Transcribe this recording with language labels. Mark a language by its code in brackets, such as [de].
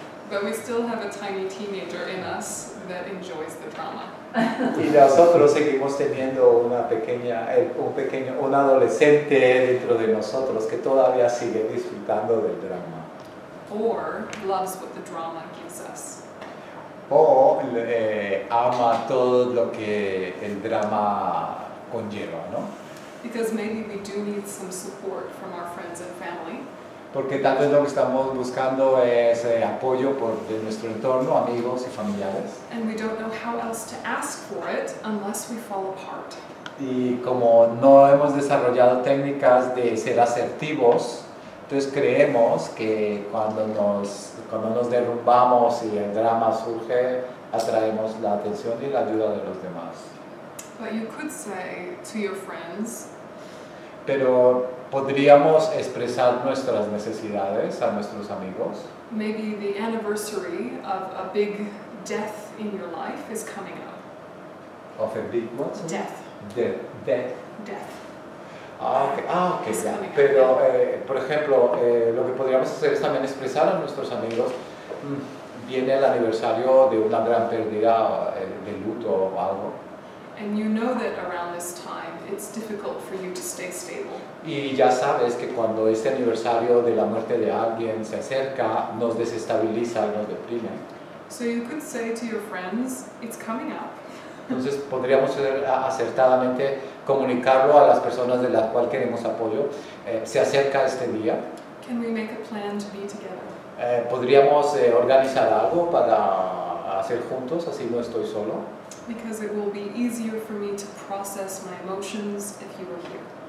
[en] But we still have a tiny teenager in us that enjoys the drama. [es] Y nosotros seguimos teniendo un adolescente dentro de nosotros que todavía sigue disfrutando del drama. [en] Or loves what the drama gives us. [es] O ama todo lo que el drama conlleva, ¿no? [en] Because maybe we do need some support from our friends and family. [es] Porque tal vez lo que estamos buscando es apoyo de nuestro entorno, amigos y familiares. [en] And we don't know how else to ask for it unless we fall apart. [es] Y como no hemos desarrollado técnicas de ser asertivos, entonces creemos que cuando nos derrumbamos y el drama surge, atraemos la atención y la ayuda de los demás. [en] But you could say to your friends, [es] pero podríamos expresar nuestras necesidades a nuestros amigos. [en] Maybe the anniversary of a big death in your life is coming up. Of a big what? Death. Death. Death. Okay, ya. [es] Pero, por ejemplo, lo que podríamos hacer es también expresar a nuestros amigos, viene el aniversario de una gran pérdida, de luto o algo. [en] And you know that around this time it's difficult for you to stay stable. [es] Y ya sabes que cuando este aniversario de la muerte de alguien se acerca, nos desestabiliza y nos deprime. [en] So you could say to your friends, it's coming up. [es] Entonces podríamos acertadamente comunicarlo a las personas de las cuales queremos apoyo. Se acerca este día. [en] Can we make a plan to be together? [es] Podríamos organizar algo para hacer juntos, así no estoy solo. [en] Because it will be easier for me to process my emotions if you were here.